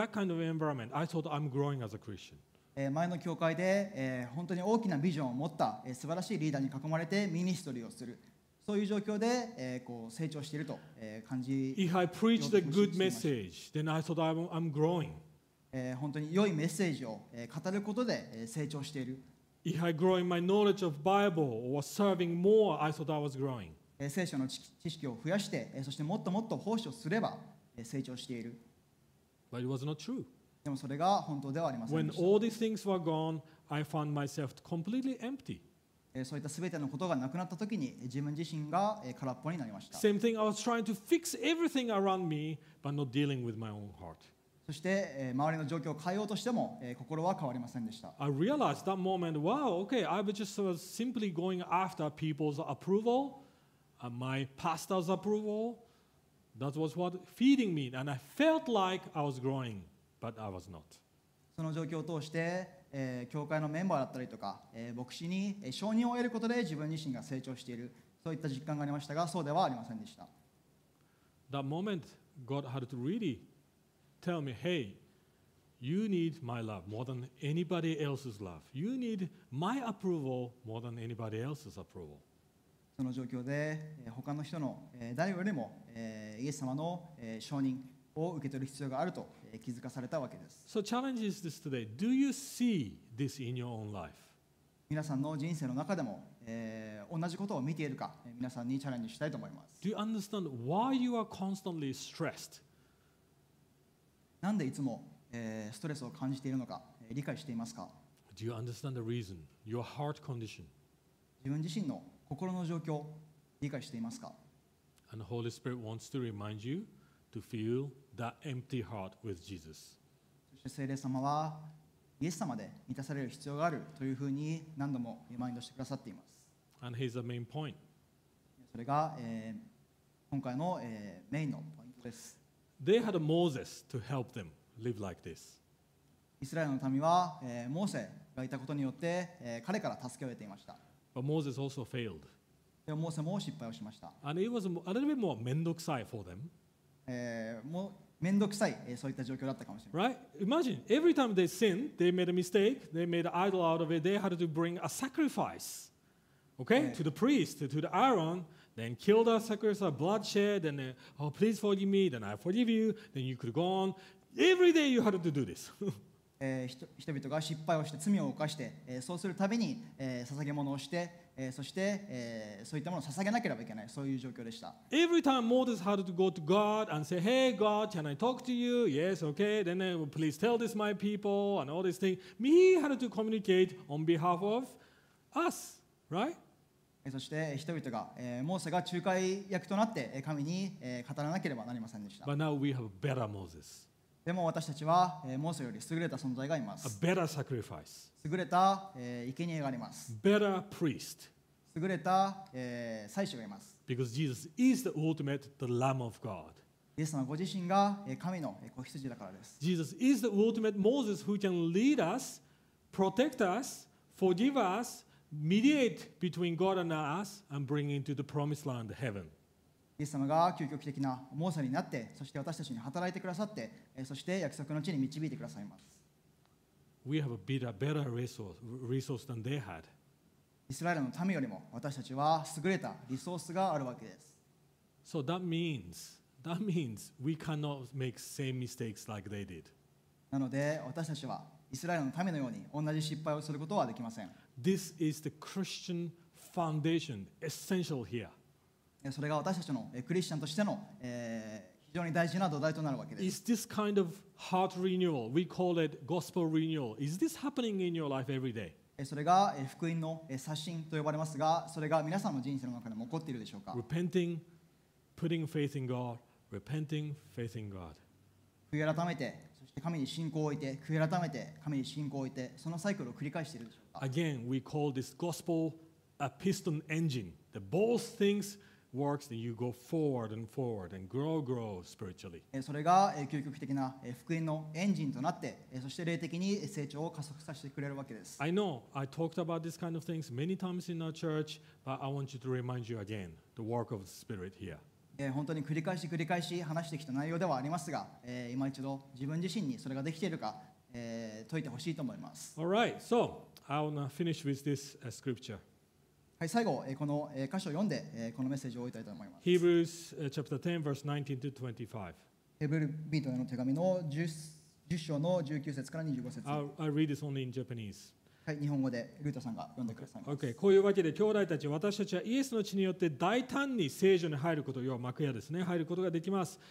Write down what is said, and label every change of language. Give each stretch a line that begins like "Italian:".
English: That kind of environment. I thought I'm growing as a Christian.
Japanese: 前の教会で本当に大きなビジョンを持った素晴らしいリーダーに囲まれてミニストリーをするそういう状況で成長していると感じ。
English: If I preached a good message, then I thought I'm growing.
Japanese: 本当に良いメッセージを語ることで成長している。
English: If I grow in my knowledge of Bible or serving more, I thought I was growing.
Japanese: 聖書の知識を増やしてそしてもっともっと奉仕をすれば成長している。
English: But it was not true.
Japanese: でもそれが本当ではありませんでした。
English: When all these things were gone, I found myself completely empty.
Japanese: そういったすべてのことがなくなったときに、自分自身が空っぽになりました。
English: Same thing, I was trying to fix everything around me, but not dealing with my own heart.
Japanese: そして周りの状況を変えようとしても、心は変わりませんでした。
English: I realized that moment, wow, okay, I was just simply going after people's approval, my pastor's approval. That was what feeding me, and I felt like I was growing. But I was not.
Japanese: その状況を通して、教会のメンバーだったりとか、牧師に承認を得ることで自分自身が成長している、そういった実感がありましたが、そうではありませんでした。
English: That moment, God had to really tell me, "Hey, you need my love more than anybody else's love. You need my approval more than anybody else's approval."
Japanese: その状況で、他の人の誰よりも、イエス様の承認を受け取る必要があると。気づかされたわけです。
English: So challenge is this today. Do you see this in your own life?
Japanese: 皆さんの人生の中でも、同じことを見ているか、皆さんにチャレンジしたいと思います。
English: Do you understand why you are constantly stressed?
Japanese: なんでいつも、ストレスを感じているのか、理解していますか?
English: Do you understand the reason? Your heart condition.
Japanese: 自分自身の心の状況、理解していますか?
English: And the Holy Spirit wants to remind you to feel. That empty heart with Jesus.
Japanese: そして聖霊様はイエス様で満たされる必要があるというふうに何度もリマインドしてくださっています。 And here's the main point. それが、今回の、メインのポイントです。
English: They had Moses to help them live like this.
Japanese: イスラエルの民は、モーセがいたことによって、彼から助けを得ていました。
English: But Moses also failed.
Japanese: でもモーセも失敗をしました。
English: And it was a little bit more
Japanese: 面倒くさい
English: for them.
Japanese: もう面倒くさい、そういった状況だったかもしれません。
English: Right? Imagine, every time they sinned, they made a mistake, they made an idol out of it, they had to bring a sacrifice. Okay? To the priest, to the Aaron. Then kill the sacrifice, bloodshed, and then, oh, please forgive me, then I forgive you, then you could go on. Every day you had to do this.
Japanese: 人々が失敗をして罪を犯して、そうするたびに、捧げ物をして、そして、そういったものを捧げなければいけない、そういう状況でした。
English: Every time Moses had to go to God and say, hey God, can I talk to you? Yes, okay. Then please tell this my people and all these things. He had to communicate on behalf of us, right?
Japanese: そして人々が、モーセが仲介役となって神に、語らなければなりませんでした。
English: But now we have a better Moses.
Japanese: でも私たちは、モーセより優れた存在がいます。
English: A better sacrifice.
Japanese: 優れた、生贄があります。
English: Better priest.
Japanese: 優れた、祭司がいます。
English: Because Jesus is the ultimate, the Lamb of God.
Japanese: イエス様ご自身が、神の子羊だからです。
English: Jesus is the ultimate Moses who can lead us, protect us, forgive us,Mediate between God and us and bring into the promised land, heaven.
Japanese: イエス様が究極的なモーセになって、そして私たちに働いてくださって、そして約束の地に導いてくださいます。
English: We have a better resource than they had.
Japanese: イスラエルの民よりも私たちは優れたリソースがあるわけです。
English: So that means we cannot make same mistakes like they did.
Japanese: なので私たちはイスラエルの民のように同じ失敗をすることはできません。
English: This is the Christian foundation, essential here.
Japanese: それが私たちのクリスチャンとしての、非常に大事な土台となるわけです。
English: Is this kind of heart renewal? We call it gospel renewal. Is this happening in your life every day?
Japanese: それが福音の刷新と呼ばれますが、それが皆さんの人生の中でも起こっているでしょうか。
English: Repenting, putting faith in God. Repenting, faith in God.
Japanese: 悔い改めて。神に信仰を置いて、悔い改めて神に信仰を置いて、そのサイクルを繰り返しているでしょうか。
English: Again, we call this gospel a piston engine. The both things works, then you go forward and forward and grow spiritually.
Japanese: それが究極的な福音のエンジンとなって、そして霊的に成長を加速させてくれるわけです。
English: I know I talked about this kind of things many times in our church, but I want you to remind you again the work of the Spirit here.
Japanese: 本当に繰り返し繰り返し話してきた内容ではありますが、今一度自分自身にそれができているか、解いてほしいと思います。
English: All right, so I wanna finish with this scripture.
Japanese: はい、最後、この箇所を読んで、このメッセージを終えたいと思います。
English: Hebrews chapter 10, verse 19 to 25.
Japanese: ヘブル人への手紙の 10章の19節から25節。
English: I'll read this only in Japanese.
Japanese: はい、日本語でルータさんが読んでくださいます。
English: okay.
Japanese: こういうわけで兄弟たち、私たちはイエスの血によって大胆に聖所に入ること、要は幕屋ですね、入ることができます。